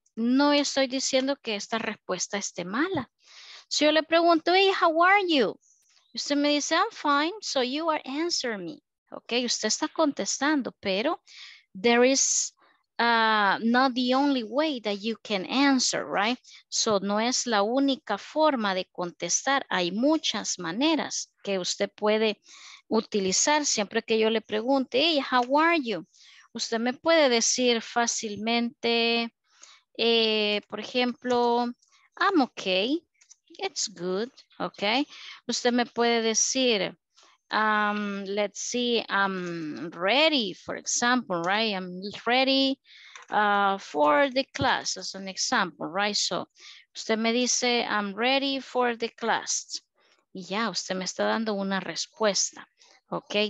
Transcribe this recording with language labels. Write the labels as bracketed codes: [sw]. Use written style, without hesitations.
[es] No estoy diciendo que esta respuesta esté mala. Si yo le pregunto, [en] hey, how are you? [es] Usted me dice, [en] I'm fine, so you are answering me. Ok, [es] usted está contestando, pero [en] there is not the only way that you can answer, right? [es] So no es la única forma de contestar. Hay muchas maneras que usted puede utilizar siempre que yo le pregunte, [en] hey, how are you? [es] Usted me puede decir fácilmente, por ejemplo, [en] I'm okay, it's good, okay. [es] Usted me puede decir, [en] let's see, I'm ready, for example, right? I'm ready for the class, as an example, right? So, [es] usted me dice, [en] I'm ready for the class. [es] Y ya, usted me está dando una respuesta, ¿ok?